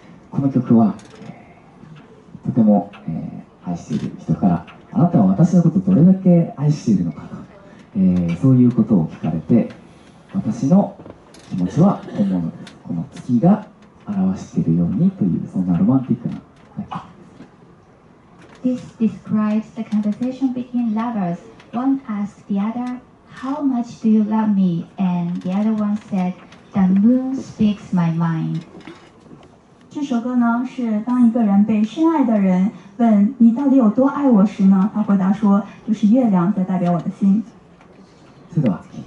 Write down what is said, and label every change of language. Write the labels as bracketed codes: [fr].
[ja] この曲はとても、愛している人から、あなたは私のことどれだけ愛しているのかと、そういうことを聞かれて、私の気持ちは本物です。この月が表しているようにという、そんなロマンティックな。 [en] This describes the conversation between lovers. One asked the other, "How much do you love me?" And the other one said, "The moon speaks my mind." [zh] 这首歌呢，是当一个人被深爱的人问你到底有多爱我时呢，他回答说，就是月亮在代表我的心。是的。